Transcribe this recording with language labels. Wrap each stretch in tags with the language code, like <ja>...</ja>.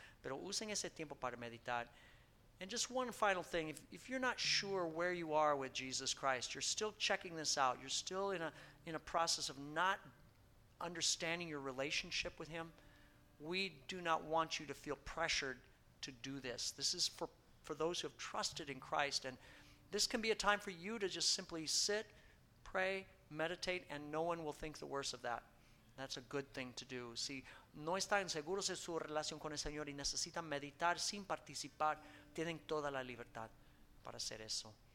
<es>Pero usen ese tiempo para meditar.</es> <en>And just one final thing, if you're not sure where you are with Jesus Christ, you're still checking this out, you're still in a process of not understanding your relationship with Him, we do not want you to feel pressured to do this. This is for those who have trusted in Christ, and this can be a time for you to just simply sit, pray, meditate, and no one will think the worse of that. That's a good thing to do. Si</en> <es>no están seguros de su relación con el Señor y necesitan meditar sin participar, tienen toda la libertad para hacer eso.</es>